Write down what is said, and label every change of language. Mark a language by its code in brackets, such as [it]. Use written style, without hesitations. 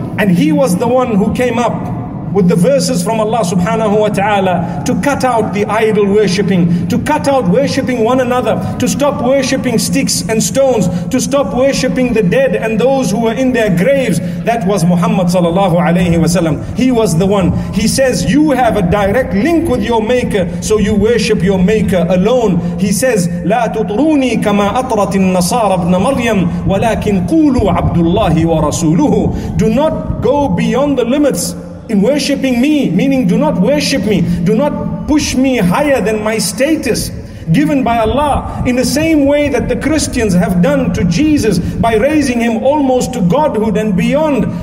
[en] And he was the one who came up with the verses from Allah subhanahu wa ta'ala to cut out the idol worshipping, to cut out worshipping one another, to stop worshipping sticks and stones, to stop worshipping the dead and those who were in their graves. That was Muhammad sallallahu alayhi wa sallam. He was the one. He says, you have a direct link with your Maker, so you worship your Maker alone. He says, [ar] لا تطروني كما أطرت النصارى ابن مريم ولكن قولوا عبد الله ورسوله. [en] Do not go beyond the limits in worshipping me, meaning do not worship me, do not push me higher than my status given by Allah, in the same way that the Christians have done to Jesus by raising him almost to godhood and beyond.